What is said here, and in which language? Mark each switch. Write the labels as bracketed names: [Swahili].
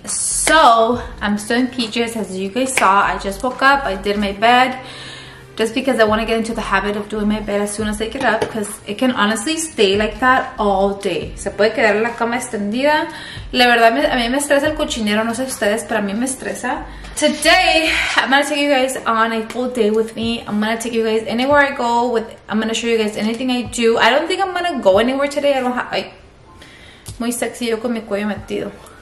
[English] So I'm still in PJs, as you guys saw. I just woke up. I did my bed just because I want to get into the habit of doing my bed as soon as I get up, because it can honestly stay like that all day. [Spanish] Se puede quedar en la cama extendida. La verdad, a mí me estresa el cochinero. No sé ustedes, pero a mí me estresa. [English] Today I'm gonna take you guys on a full day with me. I'm gonna take you guys anywhere I go with. I'm gonna show you guys anything I do. I don't think I'm gonna go anywhere today. [Spanish] Muy sexy yo con mi cuello metido.